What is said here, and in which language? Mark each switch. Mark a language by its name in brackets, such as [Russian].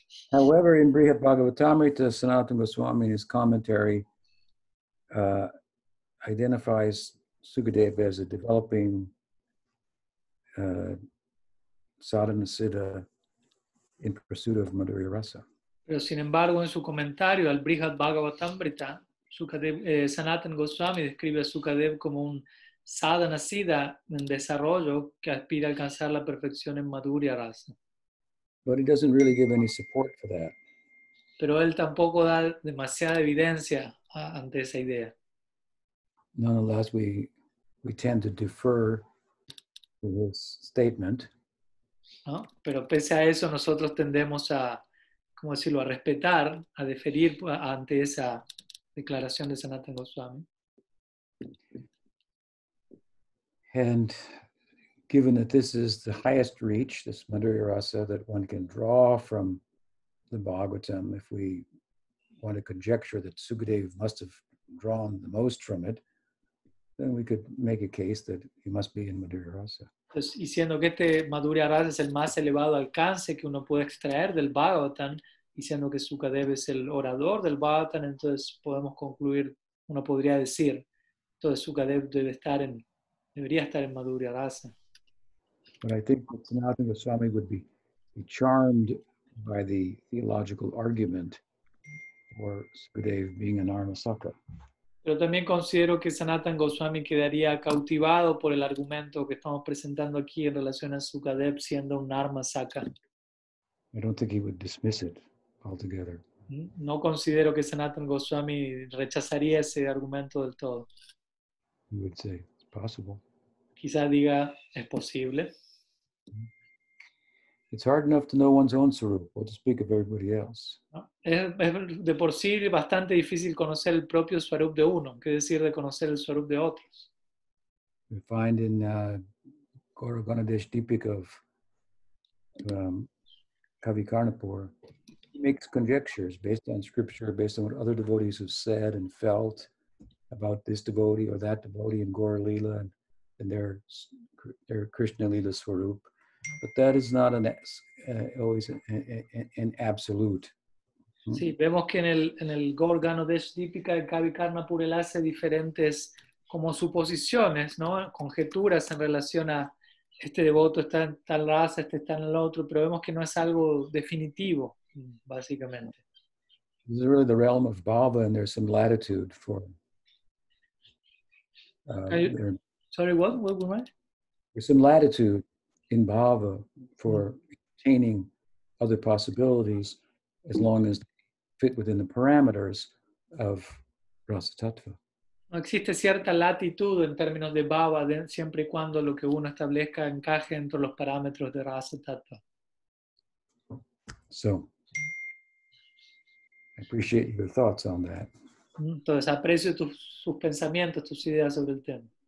[English] However, in Brihat Bhagavatamrita, Sanatana Goswami, in his commentary, identifies Sukadeva as a developing sadhana siddha in pursuit of Madhurya Rasa. [Spanish] Pero sin embargo, en su comentario al Brihat Bhagavatamrita, Sanatana Goswami describe a Sukadev como un sadhana siddha en desarrollo que aspira a alcanzar la perfección en Madhurya Rasa. [English] But he doesn't really give any support for that. [Spanish] Pero él tampoco da demasiada evidencia ante esa idea. [English] Nonetheless, we tend to defer to his statement. [Spanish] ¿No? Pero pese a eso, nosotros tendemos a, ¿cómo decirlo?, a respetar, a deferir ante esa declaración de Sanatana Goswami. [English] And given that this is the highest reach, this Madhurya Rasa, that one can draw from the Bhagavatam, if we want to conjecture that Sukadev must have drawn the most from it, then we could make a case that he must be in Madhurya Rasa. [Spanish] Entonces, y siendo que este Madhurya Rasa es el más elevado alcance que uno puede extraer del Bhagavatam, y siendo que Sukadev es el orador del Bhagavatam, entonces podemos concluir, uno podría decir, entonces Sukadev debería estar en Madhurya Rasa. [English] But I think that Sanatana Goswami would be charmed by the theological argument for Sukadev being an Armasaka. [Spanish] Pero también considero que Sanatana Goswami quedaría cautivado por el argumento que estamos presentando aquí en relación a Sukadev siendo un Armasaka. [English] I don't think he would dismiss it altogether. [Spanish] No considero que Sanatana Goswami rechazaría ese argumento del todo. [English] He would say, it's possible. [Spanish] Quizá diga, es posible. [English] It's hard enough to know one's own Swarup, what to speak of everybody else. [Spanish] Es de por sí bastante difícil conocer el propio Swarup de uno, qué decir de conocer el Swarup de otros. [English] We find in Gaura Ganadesh Deepika of Kavi Karnapur, he makes conjectures based on scripture, based on what other devotees have said and felt about this devotee or that devotee in Gaura Lila and their Krishna Lila Swarup. But that is not always an absolute. [Spanish] Sí, vemos que en el Gaura Ganadesh Deepika de Kavi Karnapur él hace diferentes como suposiciones, ¿no? Conjeturas en relación a este devoto está en tal raza, este está en el otro, pero vemos que no es algo definitivo, básicamente. [English] This is really the realm of Bhava, and there's some latitude for. There's some latitude in Bhava for retaining other possibilities as long as they fit within the parameters of Rasa Tattva. [Spanish] No existe cierta latitud en términos de Bhava siempre y cuando lo que uno establezca encaje dentro los parámetros de Rasa Tattva. [English] So, I appreciate your thoughts on that. [Spanish] Entonces, aprecio tus pensamientos, tus ideas sobre el tema.